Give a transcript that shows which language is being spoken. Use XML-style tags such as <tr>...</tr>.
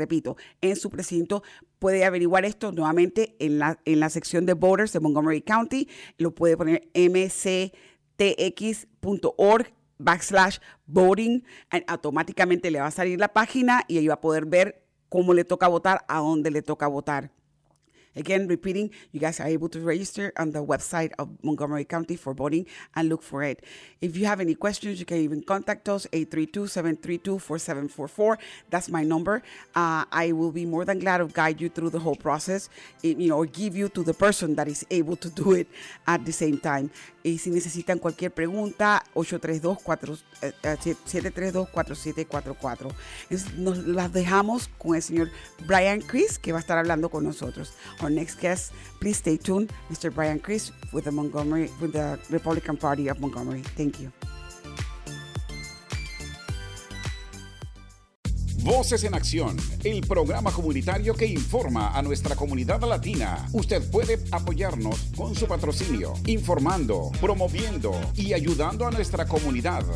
<es>Repito, en su precinto. Puede averiguar esto nuevamente en la sección de voters de Montgomery County. Lo puede poner mctx.org/voting, y automáticamente le va a salir la página, y ahí va a poder ver cómo le toca votar, a dónde le toca votar.</es> <en>Again, repeating, you guys are able to register on the website of Montgomery County for voting, and look for it. If you have any questions, you can even contact us, 832-732-4744. That's my number. I will be more than glad to guide you through the whole process, or give you to the person that is able to do it at the same time.</en> <es>Y si necesitan cualquier pregunta, 732-732-4744. Nos las dejamos con el señor Brian Crist, que va a estar hablando con nosotros.</es> <en>Our next guest, please stay tuned, Mr. Brian Crist with the Republican Party of Montgomery. Thank you.</en> <es>Voces en Acción, el programa comunitario que informa a nuestra comunidad latina. Usted puede apoyarnos con su patrocinio, informando, promoviendo y ayudando a nuestra comunidad.</es>